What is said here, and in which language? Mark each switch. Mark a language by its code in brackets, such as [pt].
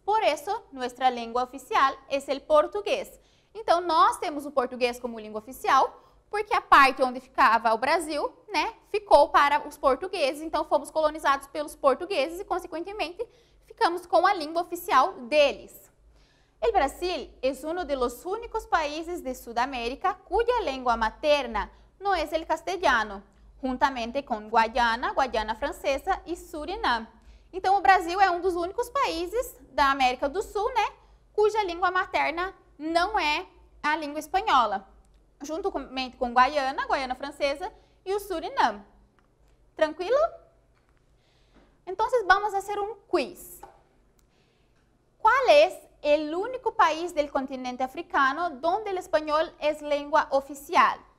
[pt] Por isso, nossa língua oficial é o português. Então, nós temos o português como língua oficial porque a parte onde ficava o Brasil, né, ficou para os portugueses. Então, fomos colonizados pelos portugueses e, consequentemente, ficamos com a língua oficial deles. [es] El Brasil es uno de los únicos países de Sudamérica cuya lengua materna no es el castellano, juntamente con Guayana, Guayana Francesa y Surinam. [pt] Então, o Brasil é um dos únicos países da América do Sul, né, cuja língua materna não é a língua espanhola, juntamente com Guayana, Guayana Francesa e o Surinam. Tranquilo? Então, vamos fazer um quiz. Qual é o único país do continente africano onde o espanhol é língua oficial?